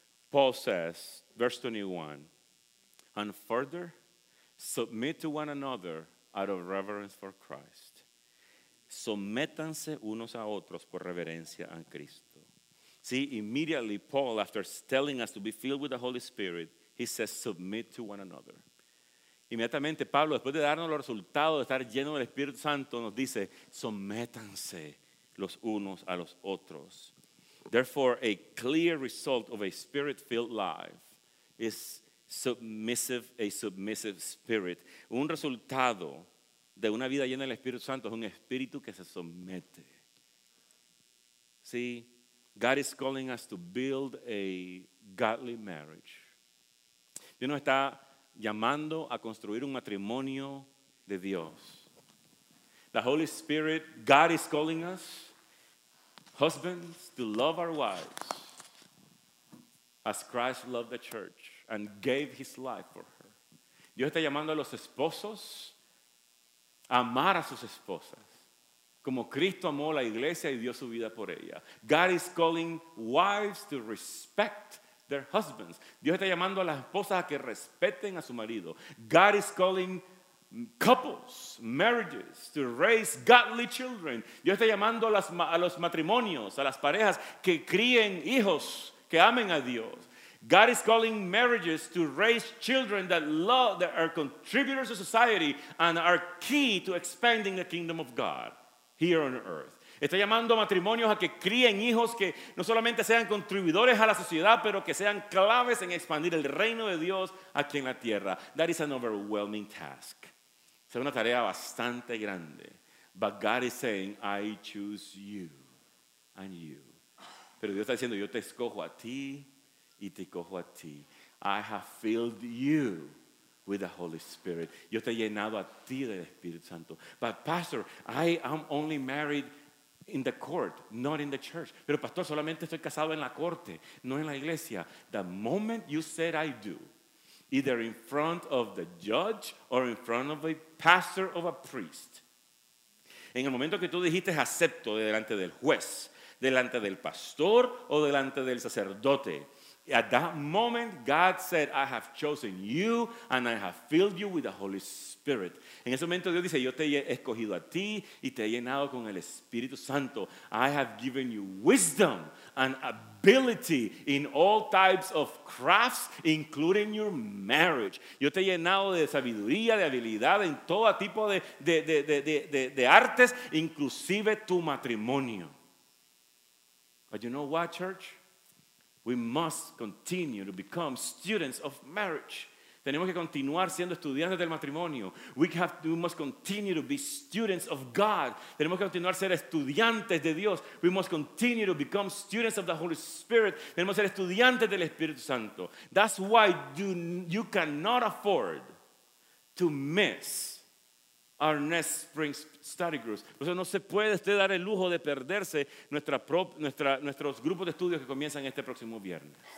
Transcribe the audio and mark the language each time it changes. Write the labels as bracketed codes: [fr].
[en] Paul says, verse 21, and further, submit to one another out of reverence for Christ. [es] Sométanse unos a otros por reverencia a Cristo. [en] See, immediately Paul, after telling us to be filled with the Holy Spirit, he says, submit to one another. [es] Inmediatamente, Pablo, después de darnos los resultados de estar lleno del Espíritu Santo, nos dice, sométanse los unos a los otros. [en] Therefore, a clear result of a spirit-filled life is submissive, a submissive spirit. [es] Un resultado de una vida llena del Espíritu Santo es un espíritu que se somete. [en] See, God is calling us to build a godly marriage. [es] Dios nos está llamando a construir un matrimonio de Dios. [en] The Holy Spirit, God is calling us, husbands, to love our wives as Christ loved the church and gave his life for her. [es] Dios está llamando a los esposos a amar a sus esposas, como Cristo amó la iglesia y dio su vida por ella. [en] God is calling wives to respect their husbands. [es] Dios está llamando a las esposas a que respeten a su marido. [en] God is calling couples, marriages, to raise godly children. [es] Dios está llamando a los matrimonios, a las parejas, que críen hijos, que amen a Dios. [en] God is calling marriages to raise children that are contributors to society and are key to expanding the kingdom of God here on earth. [es] Está llamando a matrimonios a que críen hijos que no solamente sean contribuidores a la sociedad, pero que sean claves en expandir el reino de Dios aquí en la tierra. [en] That is an overwhelming task. [es] Es una tarea bastante grande. [en] But God is saying, I choose you and you. [es] Pero Dios está diciendo, yo te escojo a ti y te cojo a ti. [en] I have filled you with the Holy Spirit. [es] Yo te he llenado a ti del Espíritu Santo. [en] But pastor, I am only married In the court, not in the church. [es] Pero pastor, solamente estoy casado en la corte, no en la iglesia. [en] The moment you said I do, either in front of the judge or in front of a pastor or a priest. [es] En el momento que tú dijiste acepto delante del juez, delante del pastor o delante del sacerdote. [en] At that moment, God said, I have chosen you and I have filled you with the Holy Spirit. [es] En ese momento Dios dice, yo te he escogido a ti y te he llenado con el Espíritu Santo. [en] I have given you wisdom and ability in all types of crafts, including your marriage. [es] Yo te he llenado de sabiduría, de habilidad en todo tipo de artes, inclusive tu matrimonio. [en] But you know what, church? We must continue to become students of marriage. [es] Tenemos que continuar siendo estudiantes del matrimonio. [en] We must continue to be students of God. [es] Tenemos que continuar ser estudiantes de Dios. [en] We must continue to become students of the Holy Spirit. [es] Tenemos que ser estudiantes del Espíritu Santo. [en] That's why you cannot afford to miss our next spring study groups. [es] Por eso no se puede usted dar el lujo de perderse nuestros grupos de estudios que comienzan este próximo viernes.